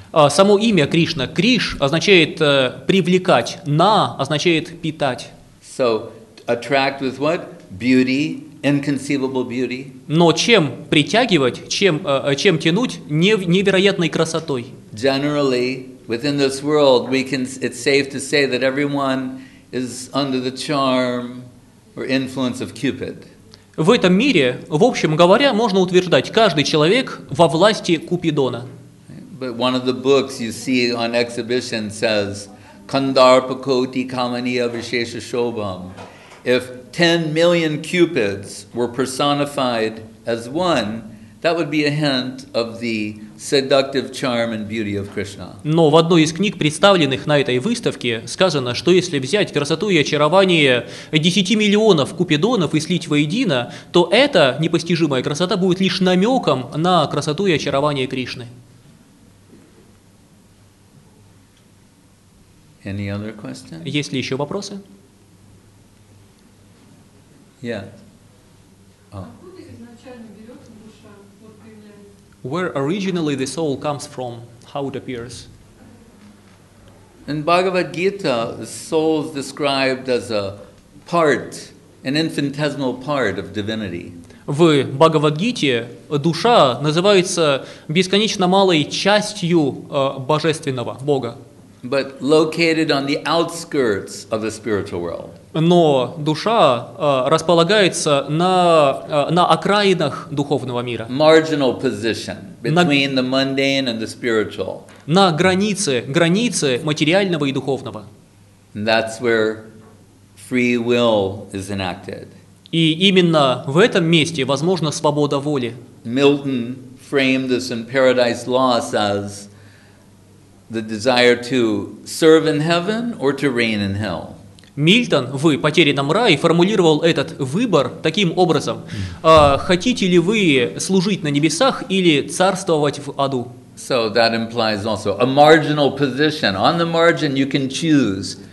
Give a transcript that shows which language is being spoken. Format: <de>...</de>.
<ru>Само имя Кришна, Криш, означает привлекать, на означает питать.</ru> <en>So attract with what? Beauty, inconceivable beauty.</en> <ru>Но чем притягивать, чем тянуть невероятной красотой.</ru> <en>Generally, within this world, it's safe to say that everyone is under the charm or influence of Cupid.</en> <ru>В этом мире, в общем говоря, можно утверждать, каждый человек во власти Купидона.</ru> <en>But one of the books you see on exhibition says, Kandarpa Koti Kamaniya Vishesha Shobham. If 10 million Cupids were personified as one, that would be a hint of the seductive charm and beauty of Krishna.</en> <ru>Но в одной из книг, представленных на этой выставке, сказано, что если взять красоту и очарование 10 миллионов купидонов и слить воедино, то эта непостижимая красота будет лишь намеком на красоту и очарование Кришны.</ru> <en>Any other question?</en> <ru>Есть ли еще вопросы?</ru> <en>Yeah. Oh.</en> <ru>Откуда изначально берется душа? Вот примерно.</ru> <en>Where originally the soul comes from? How it appears? In Bhagavad Gita, the soul is described as a part, an infinitesimal part of divinity.</en> <ru>В Бхагавад-гите душа называется бесконечно малой частью божественного Бога.</ru> <en>But located on the outskirts of the spiritual world.</en> <ru>Но душа располагается на окраинах духовного мира.</ru> <en>Marginal position between the mundane and the spiritual.</en> <ru>На границе материального и духовного.</ru> <en>And that's where free will is enacted.</en> <ru>И именно в этом месте возможна свобода воли.</ru> <en>Milton framed this in Paradise Lost as the desire to serve in heaven or to reign in hell.</en> <ru>Мильтон в «Потерянном рае» формулировал этот выбор таким образом. Хотите ли вы служить на небесах или царствовать в аду?</ru> <en>So that implies also a marginal position. On the margin you can choose.</en>